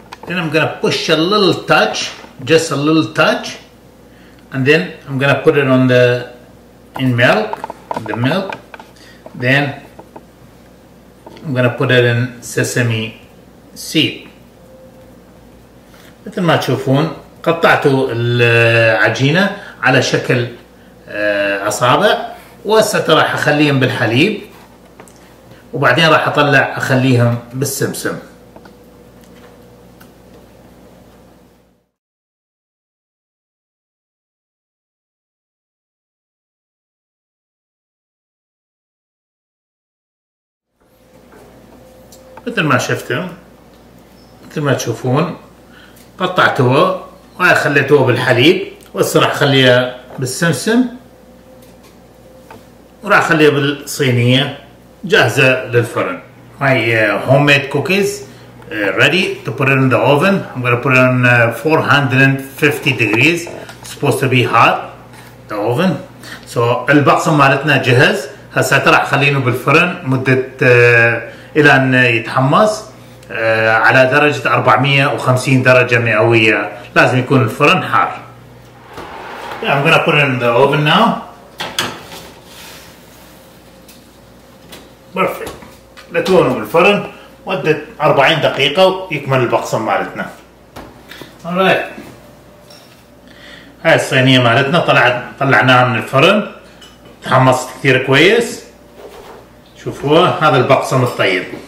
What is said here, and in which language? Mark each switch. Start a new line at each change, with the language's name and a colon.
English: Then I'm gonna push a little touch, just a little touch, and then I'm gonna put it on the in milk, the milk. Then I'm gonna put it in sesame seed.
Arabic: مثل ما تشوفون قطعت العجينة على شكل أصابع وهسه راح أخليهم بالحليب وبعدين راح أطلع أخليهم بالسمسم. مثل ما شفتم مثل ما تشوفون قطعته وهاي خليته بالحليب وهسه راح اخليها بالسمسم وراح اخليها بالصينية جاهزة للفرن.
English: هاي homemade cookies ready to put it in the oven. I'm gonna put it on 450 degrees. It's supposed to be hot the oven.
Arabic: So البقسم مالتنا جهز هسه راح اخليه بالفرن مدة الى ان يتحمص على درجة 450 درجة مئوية. لازم يكون الفرن حار.
English: Yeah, I'm gonna put it in the oven now. Perfect.
Arabic: لتونه بالفرن مدة 40 دقيقة ويكمل البقسم مالتنا. Alright. هاي الصينية مالتنا طلعناها من الفرن. تحمصت كثير كويس. شوفوها هذا البقسم الطيب.